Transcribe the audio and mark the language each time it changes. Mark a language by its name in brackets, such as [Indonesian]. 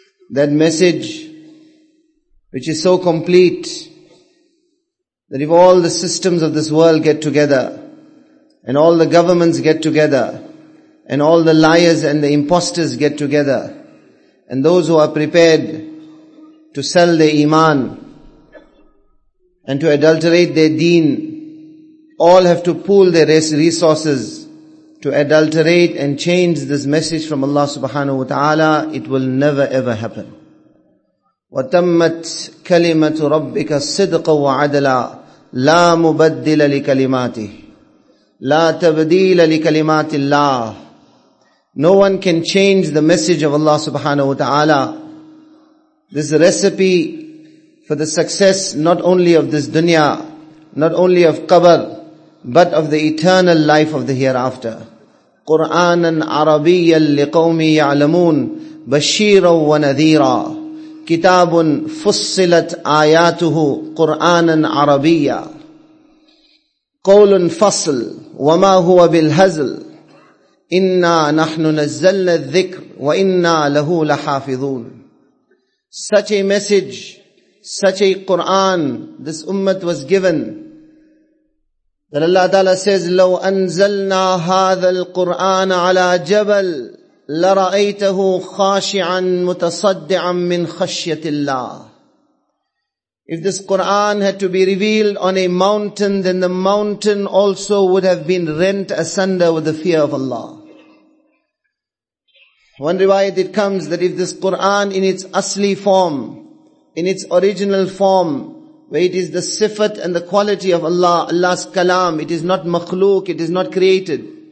[English] That message, which is so complete, that if all the systems of this world get together, and all the governments get together, and all the liars and the imposters get together, and those who are prepared to sell their iman, and to adulterate their deen, all have to pool their resources to adulterate and change this message from Allah subhanahu wa ta'ala, it will never ever happen. [Arabic] وَتَمَّتْ كَلِمَةُ رَبِّكَ صِدْقَ وَعَدْلًا لَا مُبَدِّلَ لِكَلِمَاتِهِ لَا تَبْدِيلَ لِكَلِمَاتِ اللَّهِ [English] No one can change the message of Allah subhanahu wa ta'ala. This recipe for the success not only of this dunya, not only of qabr, but of the eternal life of the hereafter. [Arabic] قُرْآنًا عَرَبِيًّا لِقَوْمِ يَعْلَمُونَ بَشِيرًا وَنَذِيرًا كِتَابٌ فُصِّلَتْ آيَاتُهُ قُرْآنًا عَرَبِيًّا قَوْلٌ فَصْلْ وَمَا هُوَ بِالْهَزْلْ إِنَّا نَحْنُ نَزَّلْنَا الذِّكْرِ وَإِنَّا لَهُ لَحَافِظُونَ [English] Such a message, such a Qur'an, this ummah was given. That Allah Ta'ala says, [Arabic] لو أنزلنا هذا القرآن على جبل لرأيته خاشعا متصدعا من خشية الله. [English] If this Quran had to be revealed on a mountain, then the mountain also would have been rent asunder with the fear of Allah. One riwayat it comes that if this Quran in its asli form, in its original form, where it is the sifat and the quality of Allah, Allah's kalam, it is not makhluk, it is not created.